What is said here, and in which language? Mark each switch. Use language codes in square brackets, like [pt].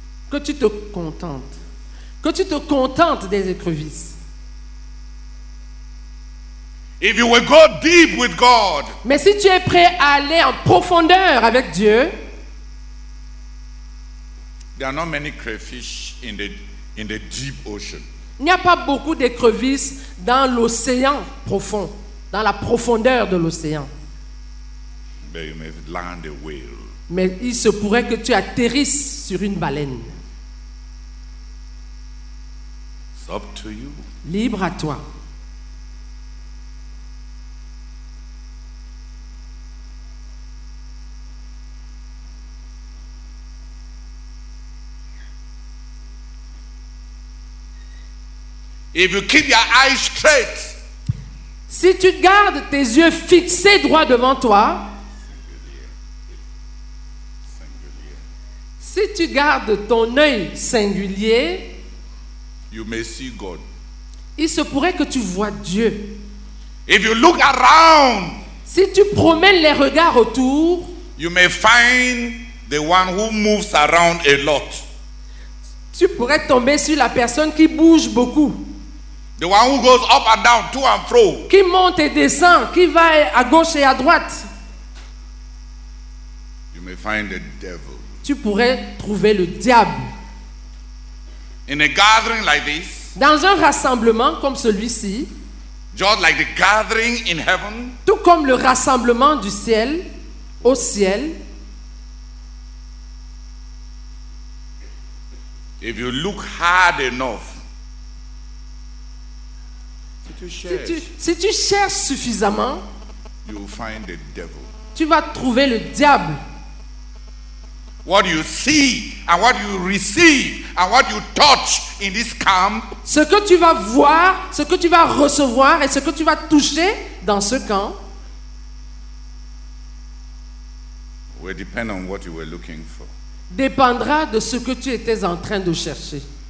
[fr] Que tu te contentes. Que tu te contentes des écrevisses. [en] If you will go deep with God, [fr] mais si tu es prêt à aller en profondeur avec Dieu, [en] there are not many crayfish in the deep ocean. [fr] Il n'y a pas beaucoup d'écrevisses dans l'océan profond, dans la profondeur de l'océan. [en] But you may land a whale. [fr] Mais il se pourrait que tu atterrisses sur une baleine. [en] Up to you. [fr] Libre à toi. [en] If you keep your eyes straight, [fr] si tu gardes tes yeux fixés droit devant toi, singulier. Si tu gardes ton œil singulier, [en] you may see God. [fr] Il se pourrait que tu vois Dieu. [en] If you look around, [fr] si tu promènes les regards autour, [en] you may find the one who moves around a lot. [fr] Tu pourrais tomber sur la personne qui bouge beaucoup. [en] The one who goes up and down, to and fro. [fr] Qui monte et descend, qui va à gauche et à droite. [en] You may find the devil. [fr] Tu pourrais trouver le diable. [en] In a gathering like this, [fr] dans un rassemblement comme celui-ci, [en] just like the gathering in heaven, [fr] tout comme le rassemblement du ciel au ciel, [en] if you look hard enough, [fr] si tu cherches suffisamment, [en] you will find the devil. [fr] Tu vas trouver le diable. [en] What you see and what you receive and what you touch in this camp, [fr] ce que tu vas voir, ce que tu vas recevoir et ce que tu vas toucher dans ce camp [en] will depend on what you were looking for. [fr] Dépendra de ce que tu étais en train de chercher.